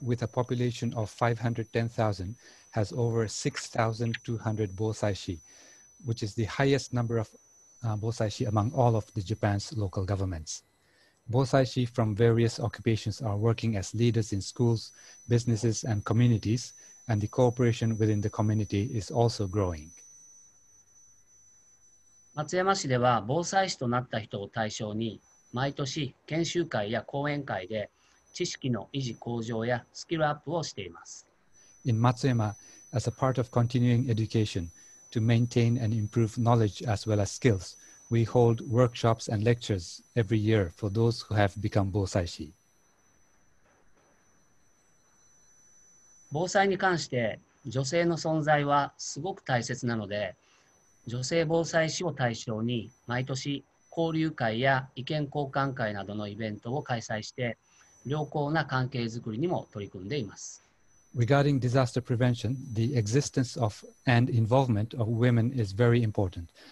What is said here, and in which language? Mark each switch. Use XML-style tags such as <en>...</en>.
<en>with a population of 510,000, has over 6,200 防災士, which is the highest number of防災士 among all of the Japan's local governments. Bosaishi from various occupations are working as leaders in schools, businesses, and communities, and the cooperation within the community is also growing.</en> <ja>松山市では防災士となった人を対象に毎年研修会や講演会で知識の維持向上やスキルアップをしています。</ja> <en>In Matsuyama, as a part of continuing education, to maintain and improve knowledge as well as skills, we hold workshops and lectures every year for those who have become 防災士。</en> <ja>防災に関して女性の存在はすごく大切なので、女性防災士を対象に毎年交流会や意見交換会などのイベントを開催して、良好な関係づくりにも取り組んでいます。</ja> <en>Regarding disaster prevention, the existence of and involvement of women is very important.</en>